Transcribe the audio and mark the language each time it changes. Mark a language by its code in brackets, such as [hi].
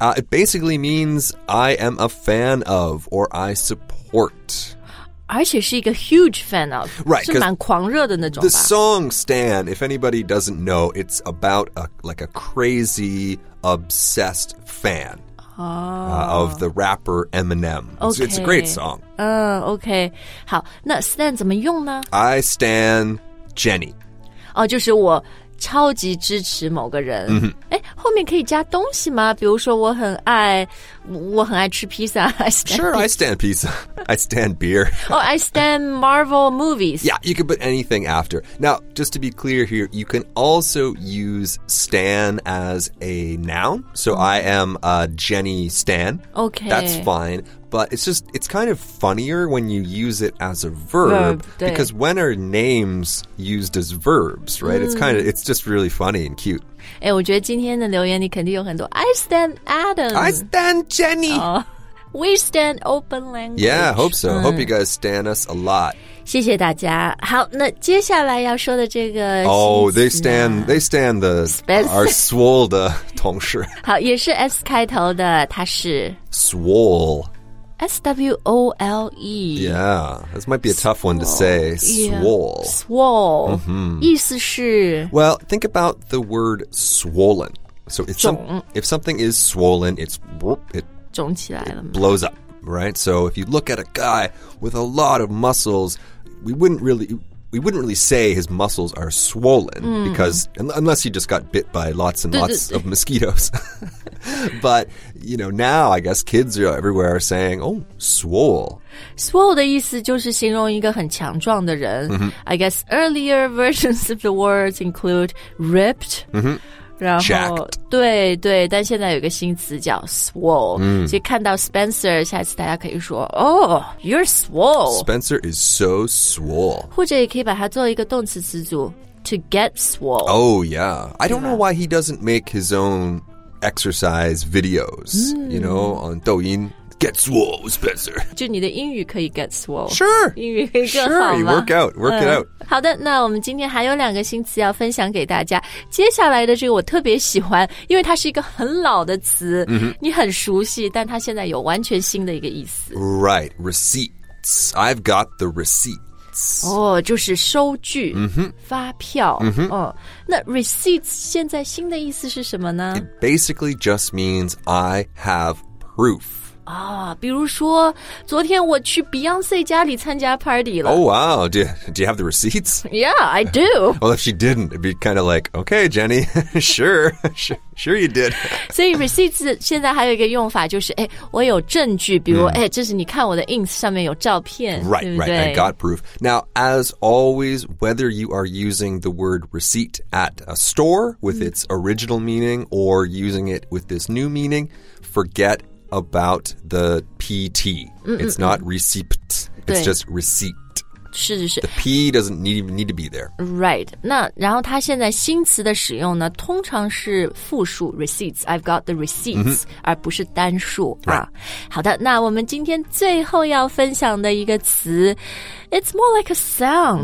[en] It basically means I am a fan of, or I support. [zh] 而且是一个 [en] huge fan of. Right. [zh] 是蛮狂热的那种吧。 [en] The song Stan, if anybody doesn't know, it's about a crazy, obsessed fan. Of the rapper Eminem. Okay. It's a great song. Okay. [zh] 好，那 stan 怎么用呢 [en] I stan Jenny. [zh] 哦，就是我超级支持某个人。后面可以加东西吗？比如说我很爱吃披萨。 [en] Sure, I stan pizza. I stan beer. Oh, I stan Marvel movies. Yeah, you can put anything after. Now, just to be clear here, you can also use stan as a noun. So I am a Jenny stan. Okay. That's fine. But it's kind of funnier when you use it as a verb. Because when are names used as verbs, right? It's just really funny and cute. [zh] 哎，我觉得今天的留言你肯定有很多 [en] I stan Adam I stan Jenny、 oh, We stan open language Yeah, hope so、Hope you guys stan us a lot [zh] 谢谢大家好那接下来要说的这个 [en] Oh, they stan the our swole [zh] 的同事好也是 S 开头的他是 [en] Swole S-W-O-L-E Yeah, this might be a tough one to say Swole、 [zh] yeah. Swole、意思是 [en] Well, think about the word swollen So if something is swollen It [zh] 肿起来了 [en] It blows up, right? So if you look at a guy with a lot of muscles We wouldn't really say his muscles are swollen、because unless he just got bit by lots and lots of mosquitoes. But, you know, now I guess kids are everywhere saying, oh, swole. [zh] Swole 的意思就是形容一个很强壮的人。 [en] I guess earlier versions of the words include ripped.、 [zh] 然后 [en] Jacked. [zh] 对对但现在有个新词叫 swole、所以看到 Spencer 下次大家可以说 [en] Oh, you're swole Spencer is so swole [zh] 或者也可以把它做一个动词词组 [en] To get swole Oh yeah I don't know why he doesn't make his own exercise videos、You know, on 抖音 Get swole, Spencer [zh] 就你的英语可以 [en] get swole Sure [zh] 英语可以更好吗 [en] Sure, work it out [zh] 好的那我们今天还有两个新词要分享给大家接下来的这个我特别喜欢因为它是一个很老的词、你很熟悉但它现在有完全新的一个意思 [en] Right, receipts I've got the receipts [zh] 哦、就是收据、发票、那 receipts 现在新的意思是什么呢 [en] It basically just means I have proof [zh] 比如说昨天我去 Beyonce 家里参加 party 了 [en] Oh wow, do you have the receipts? Yeah, I do Well, if she didn't, it'd be kind of like, okay, Jenny, sure you did [zh] 所以 receipts 现在还有一个用法就是我有证据比如这是你看我的 ins 上面有照片 [en] Right, [zh] 对不对 [en] right, I got proof Now, as always, whether you are using the word receipt at a store with its original meaning or using it with this new meaning, forget it about the PT. It's not receipt. It's just receipt. [zh] 是是是 [en] The P doesn't need to be there. Right. [zh] 那然后它现在新词的使用呢通常是复数 receipts. [en] I've got the receipts,、 [zh] 而不是单数、好的那我们今天最后要分享的一个词 [en] It's more like a sound.